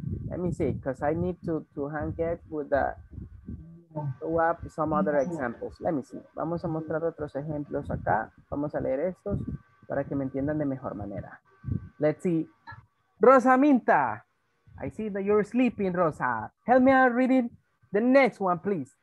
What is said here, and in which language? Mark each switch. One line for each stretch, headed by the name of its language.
English: Let me see, because I need to hang it with the show up some other examples. Let me see.
Spanish: Vamos a mostrar otros ejemplos acá. Vamos a leer estos para que me entiendan de mejor manera.
English: Let's see. Rosaminta. I see that you're sleeping, Rosa. Help me out reading the next one, please.